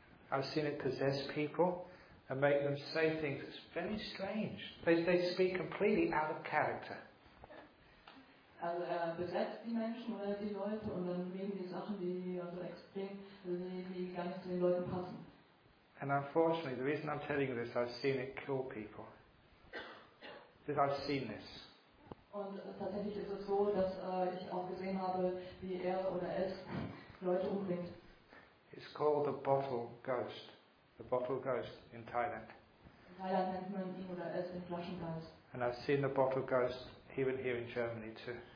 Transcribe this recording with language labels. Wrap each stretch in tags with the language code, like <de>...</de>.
<en>I've seen it possess people and make them say things. It's very strange. They speak completely out of character.</en> <de>Also besetzt die Menschen oder die Leute und dann reden die Sachen, die also extrem, die gar nicht zu den Leuten passen.</de> <en>And unfortunately, the reason I'm telling you this, I've seen it kill people. Because I've seen this.</en> <de>Und tatsächlich ist es so, dass ich auch gesehen habe, wie er oder es Leute umbringt.</de> <en>It's called the bottle ghost. The bottle ghost in Thailand.</en> <de>In Thailand nennt man ihn oder es den Flaschengeist.</de> <en>And I've seen the bottle ghost even here in Germany too.</en>